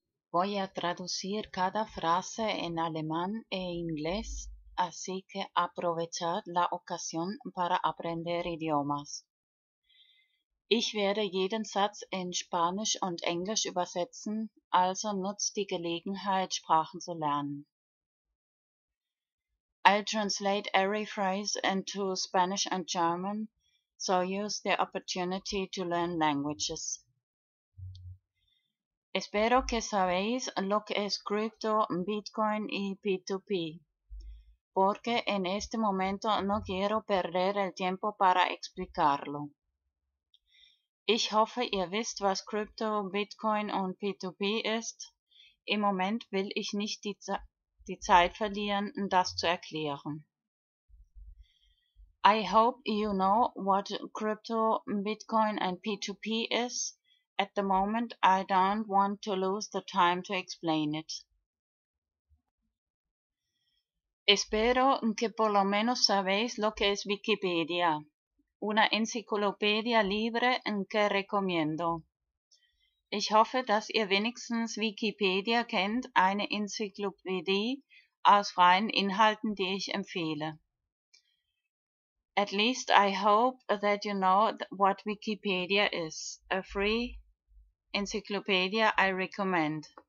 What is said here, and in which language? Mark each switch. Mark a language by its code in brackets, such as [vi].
[es] Voy a traducir cada frase en alemán e inglés, así que aprovechad la ocasión para aprender idiomas. [de] Ich werde jeden Satz in Spanisch und Englisch übersetzen, also nutzt die Gelegenheit, Sprachen zu lernen. [en] I'll translate every phrase into Spanish and German, so use the opportunity to learn languages. [es] Espero que sabéis lo que es cripto, Bitcoin y P2P, porque en este momento no quiero perder el tiempo para explicarlo. [de] Ich hoffe, ihr wisst, was Crypto, Bitcoin und P2P ist. Im Moment will ich nicht die Zeit verlieren, das zu erklären. [en] I hope you know what Crypto, Bitcoin and P2P is. At the moment, I don't want to lose the time to explain it. [es] Espero que por lo menos sabéis lo que es Wikipedia, una enciclopedia libre que recomiendo. [de] Ich hoffe, dass ihr wenigstens Wikipedia kennt, eine Enzyklopädie aus freien Inhalten, die ich empfehle. [en] At least I hope that you know what Wikipedia is, a free encyclopedia I recommend.